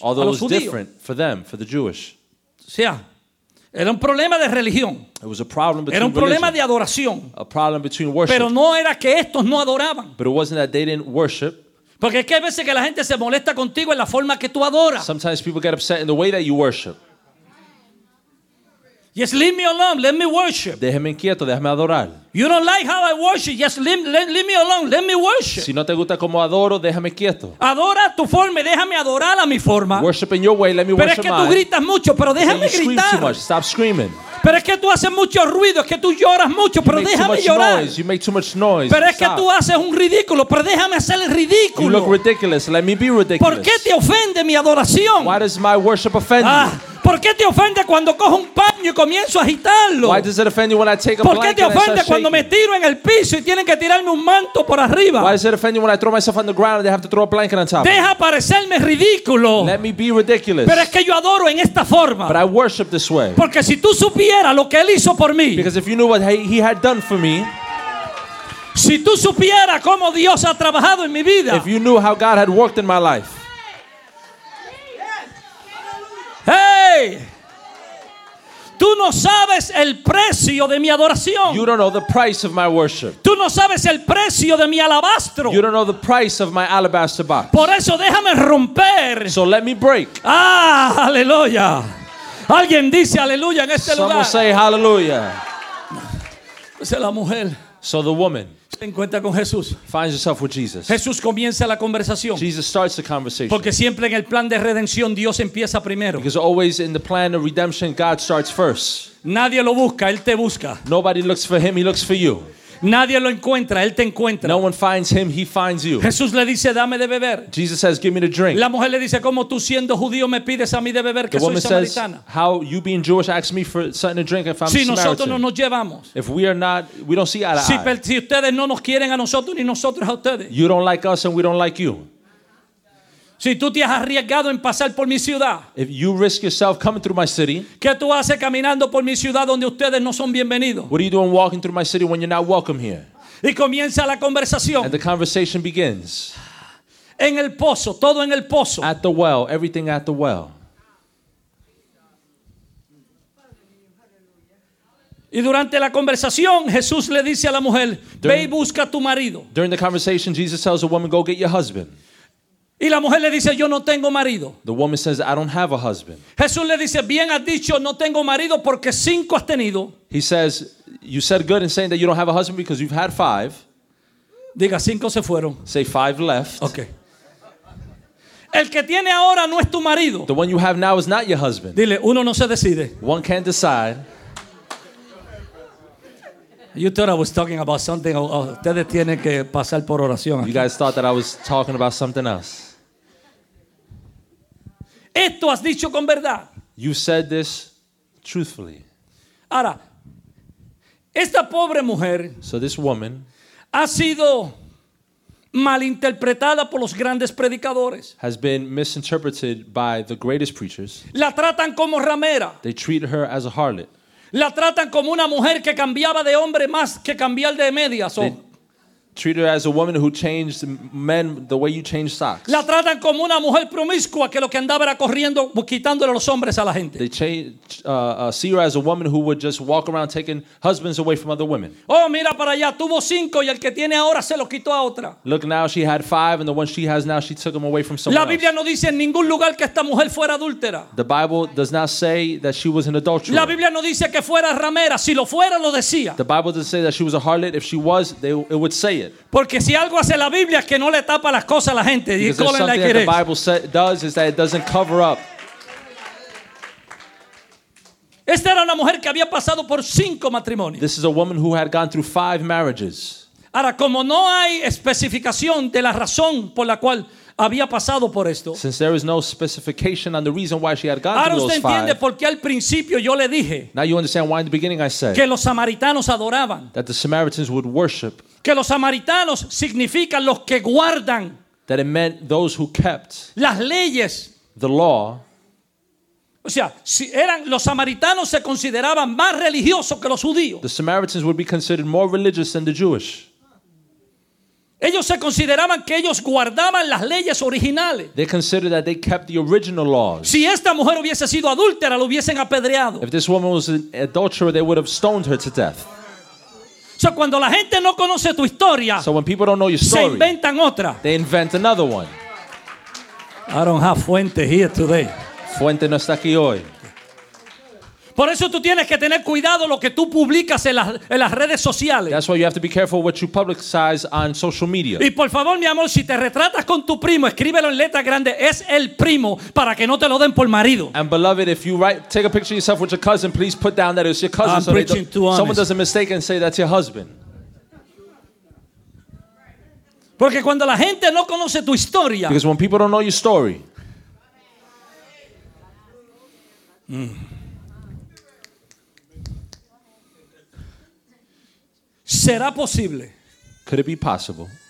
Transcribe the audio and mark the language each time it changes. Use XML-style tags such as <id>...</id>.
<en>although</en> <es>a los</es> <en>it was</en> <es>judíos.</es> <en>Different for them, for the Jewish.</en> <es>O sea, era un problema de religión.</es> <en>It was a problem between</en> <es>era un problema</es> <en>religion,</en> <es>de adoración.</es> <en>A problem between worship.</en> <es>Pero no era que estos no adoraban.</es> <en>But it wasn't that they didn't worship.</en> <es>Porque es que hay veces que la gente se molesta contigo en la forma que tú adoras.</es> <en>Sometimes people get upset in the way that you worship. Yes, leave me alone. Let me worship.</en> <es>Déjeme inquieto, déjame adorar.</es> <en>You don't like how I worship. Yes, leave me alone. Let me worship.</en> <es>Si no te gusta como adoro, déjame quieto. Adora tu forma, déjame adorar a mi forma.</es> <en>Worship in your way, let me</en> <es>pero</es> <en>worship</en> <es>es que</es> <en>mine.</en> <es>Pero es que tú gritas mucho, pero déjame gritar.</es> <en>You scream too much. Stop screaming.</en> <es>Pero es que tú haces mucho ruido, es que tú lloras mucho, pero déjame</es> <en>too much</en> <es>llorar.</es> <en>Noise. You make too much noise.</en> <es>Pero es</es> <en>stop.</en> <es>Que tú haces un ridículo, pero déjame hacer el ridículo.</es> <en>You look ridiculous. Let me be ridiculous.</en> <es>¿Por qué te ofende mi adoración?</es> <en>Why does my worship offend you?</en> <es>¿Por qué te ofende cuando cojo un paño y comienzo a agitarlo?</es> <en>Why does it offend you when I take a blanket?</en> <es>¿Por qué te ofende cuando me tiro en el piso y tienen que tirarme un manto por arriba?</es> <en>Why does it offend you when I throw myself on the ground and they have to throw a blanket on top?</en> <es>Deja parecerme ridículo.</es> <en>Let me be ridiculous.</en> <es>Pero es que yo adoro en esta forma.</es> <en>But I worship this way.</en> <es>Porque si tú supieras lo que él hizo por mí.</es> <en>Because if you knew what he had done for me.</en> <es>Si tú supieras cómo Dios ha trabajado en mi vida.</es> <en>If you knew how God had worked in my life.</en> <es>Hey, tú no sabes el precio de mi adoración.</es> <en>You don't know the price of my worship.</en> <es>Tú no sabes el precio de mi alabastro.</es> <en>You don't know the price of my alabaster box.</en> <es>Por eso déjame romper.</es> <en>So let me break.</en> <es>Ah, aleluya. Alguien dice aleluya en este</es> <en>Some</en> <es>lugar.</es> <en>Some say hallelujah.</en> <es>Es la mujer.</es> <en>So the woman.</en> <es>Se encuentra con Jesús.</es> <en>Finds herself with Jesus.</en> <es>Jesús comienza la conversación.</es> <en>Jesus starts the conversation.</en> <es>Porque siempre en el plan de redención Dios empieza primero.</es> <en>Because always in the plan of redemption God starts first.</en> <es>Nadie lo busca, él te busca.</es> <en>Nobody looks for him, he looks for you.</en> <es>Nadie lo encuentra, él te encuentra.</es> <en>No one finds him, he finds you.</en> <es>Jesús le dice, dame de beber.</es> <en>Jesus says, give me to drink.</en> <es>La mujer le dice, ¿cómo tú siendo judío me pides a mí de beber que soy samaritana?</es> <en>The woman says, how you being Jewish ask me for something to drink if I'm</en> <es>si</es> <en>a Samaritan?</en> <es>Si nosotros no nos llevamos.</es> <en>If we are not, we don't see eye to eye.</en> <es>Si ustedes no nos quieren a nosotros ni nosotros a ustedes.</es> <en>You don't like us and we don't like you.</en> <es>Si tú te has arriesgado en pasar por mi ciudad.</es> <en>If you risk yourself coming through my city.</en> <es>¿Qué tú haces caminando por mi ciudad donde ustedes no son bienvenidos?</es> <en>What are you doing walking through my city when you're not welcome here?</en> <es>Y comienza la conversación.</es> <en>And the conversation begins.</en> <es>En el pozo, todo en el pozo.</es> <en>At the well, everything at the well.</en> <es>Y durante la conversación, Jesús le dice a la mujer, ve y busca a tu marido.</es> <en>During the conversation, Jesus tells the woman, go get your husband.</en> <es>Y la mujer le dice, yo no tengo marido.</es> <en>The woman says, I don't have a husband.</en> <es>Jesús le dice, bien has dicho, no tengo marido porque cinco has tenido.</es> <en>He says, you said good in saying that you don't have a husband because you've had five.</en> <es>Diga, cinco se fueron.</es> <en>Say, five left. Okay.</en> <es>El que tiene ahora no es tu marido.</es> <en>The one you have now is not your husband.</en> <es>Dile, uno no se decide.</es> <en>One can't decide. You thought I was talking about something.</en> <es>Ustedes tienen que pasar por oración.</es> <en>You guys thought that I was talking about something else.</en> <es>Esto has dicho con verdad.</es> <en>You said this truthfully.</en> <es>Ahora, esta pobre mujer.</es> <en>So this woman.</en> <es>Ha sido malinterpretada por los grandes predicadores.</es> <en>Has been misinterpreted by the greatest preachers.</en> <es>La tratan como ramera.</es> <en>They treat her as a harlot.</en> <es>La tratan como una mujer que cambiaba de hombre más que cambiar de medias.</es> <en>They treat her as a woman who changed men the way you change socks.</en> <es>La tratan como una mujer promiscua que lo que andaba era corriendo, quitándole los hombres a la gente.</es> <en>They see her as a woman who would just walk around taking husbands away from other women.</en> <es>Oh, mira para allá, tuvo cinco y el que tiene ahora se lo quitó a otra.</es> <en>Look now, she had five and the one she has now, she took him away from someone else.</en> <es>La Biblia no dice en ningún lugar que esta mujer fuera adúltera.</es> <en>The Bible does not say that she was an adulterer.</en> <es>La Biblia no dice que fuera ramera, si lo fuera lo decía.</es> <en>The Bible doesn't say that she was a harlot. If she was, it would say it.</en> <es>Porque si algo hace la Biblia es que no le tapa las cosas a la gente.</es> <en>Because there's something that the Bible does is that it doesn't cover up.</en> <es>Esta era una mujer que había pasado por cinco matrimonios.</es> <en>This is a woman who had gone through five marriages.</en> <es>Ahora, como no hay especificación de la razón por la cual había pasado por esto.</es> <en>Since there is no specification on the reason why she had gone through those five.</en> <es>Ahora usted entiende por qué al principio yo le dije.</es> <en>Now you understand why in the beginning I said.</en> <es>Que los samaritanos adoraban.</es> <en>That the Samaritans would worship.</en> <es>Que los samaritanos significan los que guardan.</es> <en>That it meant those who kept.</en> <es>Las leyes.</es> <en>The law.</en> <es>O sea, si eran los samaritanos se consideraban más religiosos que los judíos.</es> <en>The Samaritans would be considered more religious than the Jewish.</en> <es>Ellos se consideraban que ellos guardaban las leyes originales.</es> <en>They considered that they kept the original laws.</en> <es>Si esta mujer hubiese sido adúltera, lo hubiesen apedreado.</es> <en>If this woman was an adulterer, they would have stoned her to death.</en> <es>So cuando la gente no conoce tu historia,</es> <en>so when people don't know your story,</en> <es>se inventan otra.</es> <en>They invent another one. I don't have fuente here today.</en> <es>Fuente no está aquí hoy. Por eso tú tienes que tener cuidado lo que tú publicas en las redes sociales.</es> <en>That's why you have to be careful what you publicize on social media.</en> <es>Y por favor, mi amor, si te retratas con tu primo, escríbelo en letra grande, es el primo, para que no te lo den por marido.</es> <en>And beloved, if you take a picture of yourself with your cousin, please put down that it's your cousin. I'm so preaching too honest. Someone does a mistake and say that's your husband.</en> <es>Porque cuando la gente no conoce tu historia.</es> <en>Because when people don't know your story.</en> <es>¿Será posible?</es> <en>Could it be possible?</en>